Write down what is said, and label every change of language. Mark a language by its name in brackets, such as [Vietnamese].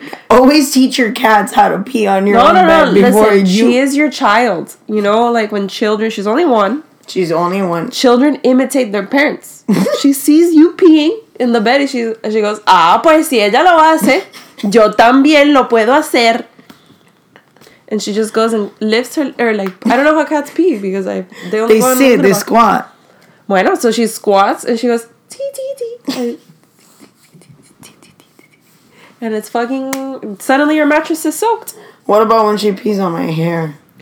[English] Always teach your cats how to pee on your own bed before. Listen, she is your child, you know, like when children, she's only one, children imitate their parents. She sees you peeing in the bed and she goes, [Spanish] ah, pues si ella lo hace, yo también lo puedo hacer. [English] And she just goes and lifts her, or like, I don't know how cats pee, because I, they only, they go sit, they squat. Bueno, so she squats and she goes, tee, tee, tee. And it's fucking, suddenly your mattress is soaked. What about when she pees on my hair?